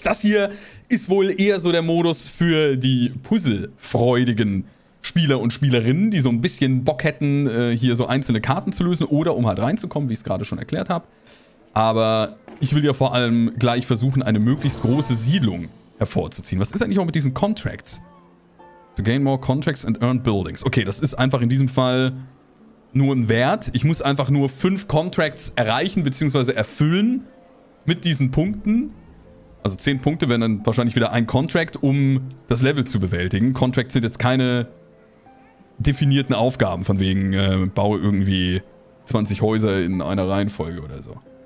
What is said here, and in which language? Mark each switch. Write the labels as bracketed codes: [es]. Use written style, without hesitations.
[de] Das hier ist wohl eher so der Modus für die puzzlefreudigen Spieler und Spielerinnen, die so ein bisschen Bock hätten, hier so einzelne Karten zu lösen oder um halt reinzukommen, wie ich es gerade schon erklärt habe. Aber ich will ja vor allem gleich versuchen, eine möglichst große Siedlung hervorzuziehen. Was ist eigentlich auch mit diesen Contracts? [en] To gain more contracts and earn buildings. [de] Okay, das ist einfach in diesem Fall nur ein Wert. Ich muss einfach nur 5 Contracts erreichen bzw. erfüllen mit diesen Punkten. Also 10 Punkte wären dann wahrscheinlich wieder ein Contract, um das Level zu bewältigen. Contracts sind jetzt keine definierten Aufgaben, von wegen baue irgendwie 20 Häuser in einer Reihenfolge oder so.